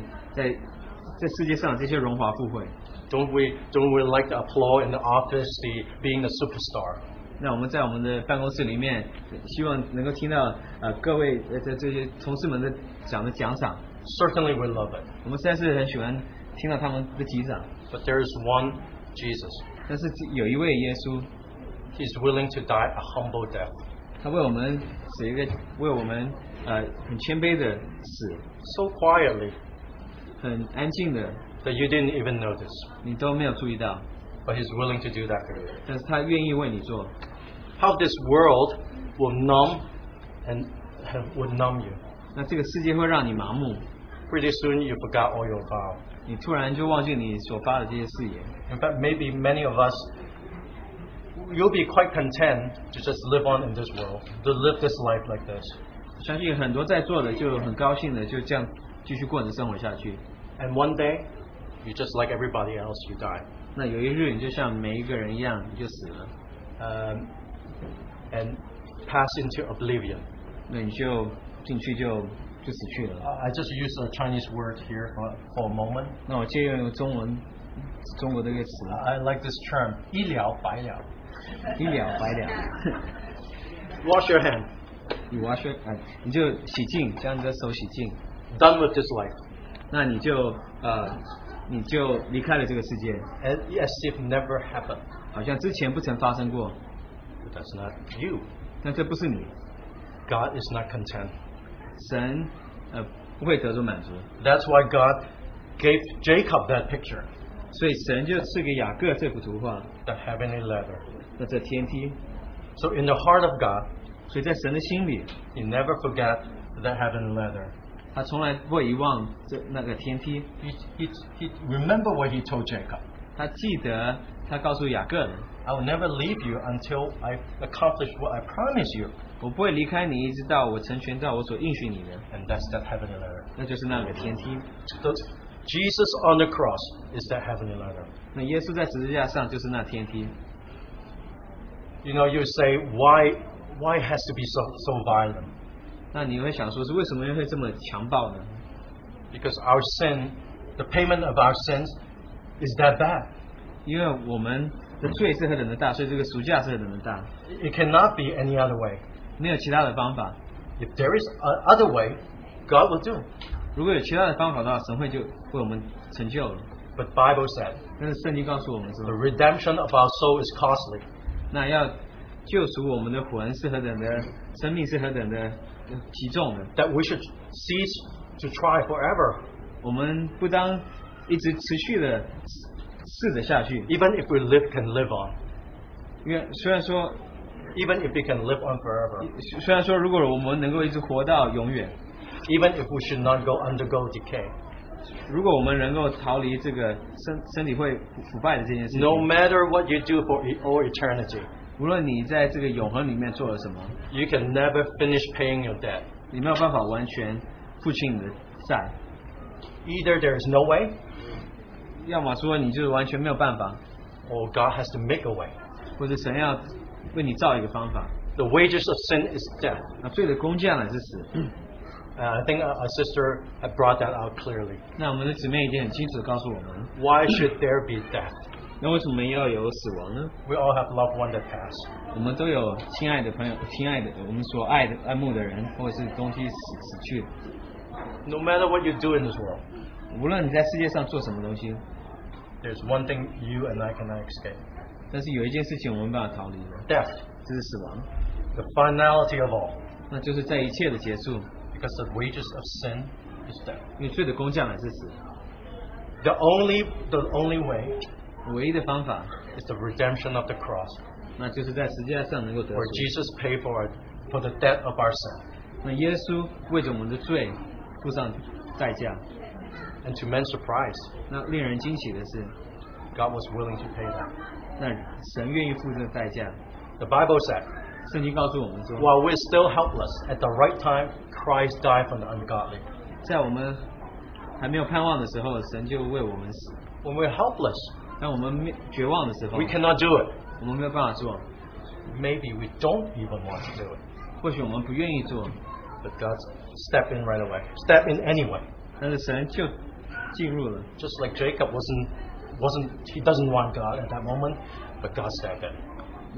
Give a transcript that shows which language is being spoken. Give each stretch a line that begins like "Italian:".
Chinese: 那世界,这个世界真的喜欢抓住我们在世界上这些荣华富贵。
English: Don't we like to applaud in the office, being the superstar?
Chinese: 那我们在我们的办公室里面,希望能够听到各位这些同事们的讲的奖赏。
English: Certainly we love it.
Chinese: 我们实在是很喜欢听到他们的击掌。
English: But there is one Jesus.
Chinese: 但是有一位耶稣,
English: He's willing to die a humble death.
Chinese: 他为我们死一个,为我们, 很谦卑的死,
English: so quietly,
Chinese: 很安静的,
English: that you didn't even notice.
Chinese: 你都没有注意到,
English: but He's willing to do that for you.
Chinese: 但是他愿意为你做,
English: how this world will numb you.
Chinese: 那这个世界会让你麻木,
English: pretty soon you forgot all your vow. In fact, maybe many of us, you'll be quite content to just live on in this world, to live this life like this.
Chinese: 相信很多在座的就很高兴的就这样继续过着生活下去.
English: And one day, you just like everybody else, you die.
Chinese: 那有一日你就像每一个人一样你就死了.
English: And pass into oblivion.
Chinese: 那你就进去就
English: I just use a Chinese word here for a moment.
Chinese: 那我借用中文,中国的一个词,
English: I like this term,
Chinese: 一了百了. 一了百了.
English: Wash your hand. You wash your hand.
Chinese: 你就洗净,将你的手洗净.
English: Done with this life.
Chinese: 那你就离开了这个世界.
English: As if never happened.
Chinese: 好像之前不曾发生过.
English: But that's not you.
Chinese: 那这不是你.
English: God is not content.
Chinese: 神,
English: that's why God gave Jacob that picture.
Chinese: 所以神就赐给雅各这幅图画,
English: the heavenly ladder.
Chinese: 那这天梯,
English: so in the heart of God,
Chinese: 所以在神的心里,
English: he never forget that heavenly ladder.
Chinese: 他从来不会遗忘这那个天梯。
English: He remember what he told Jacob.
Chinese: 他记得他告诉雅各人,
English: I will never leave you until I accomplish what I promise you.
Chinese: 我不会离开你, 一直到我成全到我所应许你的,
English: and that's that heavenly ladder.
Chinese: 那就是那个天梯。
English: So Jesus on the cross is that heavenly ladder.
Chinese: 那耶稣在十字架上就是那天梯。
English: You know, you say, why has to be so violent?
Chinese: 那你会想说是为什么会这么强暴呢?
English: Because our sin, the payment of our sins is that bad.
Chinese: 因为我们的罪是何等的大, 所以这个赎价是何等的大。
English: It cannot be any other way.
Chinese: 没有其他的方法。
English: If there is another way, God will do.
Chinese: 如果有其他的方法的话, 神会就为我们成就了。
English: But Bible said,
Chinese: 但是圣经告诉我们说,
English: the redemption of our soul is costly.
Chinese: 那要救赎我们的魂是何等的，生命是何等的极重的。
English: That we should cease to try forever.
Chinese: 我们不当一直持续的试着下去。
English: Even if we live can live on.
Chinese: 因为虽然说,
English: even if we can live on forever.
Chinese: 虽然说如果我们能够一直活到永远,
English: even if we should not go undergo decay.
Chinese: 如果我们能够逃离这个身体会腐败的这件事情,
English: no matter what you do for all eternity,
Chinese: 无论你在这个永恒里面做了什么,
English: you can never finish paying your debt.
Chinese: 你没有办法完全付清你的债。
English: Either there is no way,
Chinese: 要么说你就完全没有办法,
English: or God has to make a way,
Chinese: 或者神要为你造一个方法。
English: The wages of sin is death.
Chinese: 那罪的工价呢是死。
English: I think a sister had brought that out clearly. Why should there be death?
Chinese: 那为什么要有死亡呢?
English: We all have loved ones that passed.
Chinese: 我们都有亲爱的朋友，亲爱的，我们所爱的、爱慕的人，或者是东西死去。
English: No matter what you do in this world,
Chinese: 无论你在世界上做什么东西,
English: there's one thing you and I cannot escape.
Chinese: 但是有一件事情我们没办法逃离的,
English: death.
Chinese: 这是死亡。
English: The finality of all.
Chinese: 那就是在一切的结束。
English: Because the wages of sin is death.
Chinese: 因为罪的工价乃是死。
English: The only way,
Chinese: 唯一的方法,
English: is the redemption of the cross.
Chinese: 那就是在十字架上能够得罪。
English: Where Jesus paid for the debt of our sin.
Chinese: 那耶稣为着我们的罪付上代价。
English: And to men's surprise,
Chinese: 那令人惊奇的是,
English: God was willing to pay that.
Chinese: 那神愿意付这个代价。
English: The Bible said,
Chinese: 圣经告诉我们说,
English: while we're still helpless, at the right time, Christ died for the ungodly.
Chinese: 在我们还没有盼望的时候, 神就为我们死。
English: When we're helpless,
Chinese: 当我们绝望的时候,
English: we cannot do it.
Chinese: 我们没有办法做。
English: Maybe we don't even want to do it.
Chinese: 或许我们不愿意做。
English: But God stepped in right away. Step in anyway.
Chinese: 但是神就进入了。
English: Just like Jacob he doesn't want God at that moment, but God stepped in.